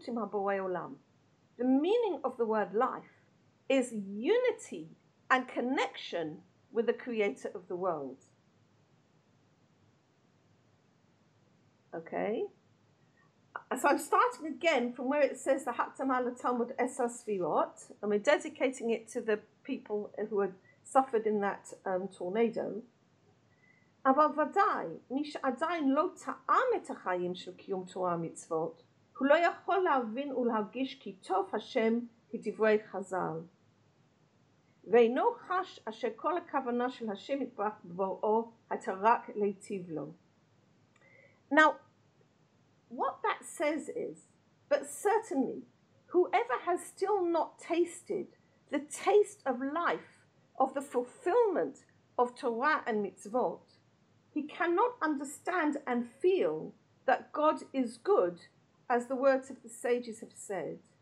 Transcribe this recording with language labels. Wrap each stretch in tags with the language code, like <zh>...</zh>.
<en>The meaning of the word life is unity and connection with the creator of the world. Okay. So I'm starting again from where it says the Haktamah LaTalmud Esar Sfirot, and we're dedicating it to the people who had suffered in that tornado.</en> <he>אבל ודאי, מי שעדיין לא טעם את החיים של קיום תורה ומצוות, הוא לא יכול להבין ולהרגיש כי טוב השם כדברי חז"ל. ואינו חש אשר כל הכוונה של השם יתברך בבוראו הייתה רק להיטיב לו.</he> <en>Now, what that says is, but certainly, whoever has still not tasted the taste of life, of the fulfillment of Torah and mitzvot, he cannot understand and feel that God is good, as the words of the sages have said.</en>